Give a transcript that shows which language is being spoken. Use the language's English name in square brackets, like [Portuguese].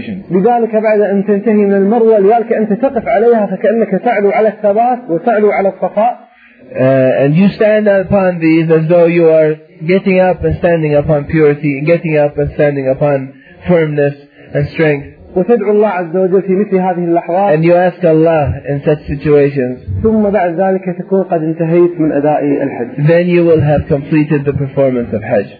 [Arabic] لذلك بعد أن تنتهي من المروة لذلك أنت تقف عليها فكأنك تعلو على الثبات وتعلو على الصفاء. [English] And you stand upon these as though you are getting up and standing upon purity, getting up and standing upon firmness and strength. [Arabic] وتدعو الله عز وجل في مثل هذه اللحظات. [English] And you ask Allah in such situations. [Arabic] ثم بعد ذلك تكون قد انتهيت من أداء الحج. [English] Then you will have completed the performance of Hajj.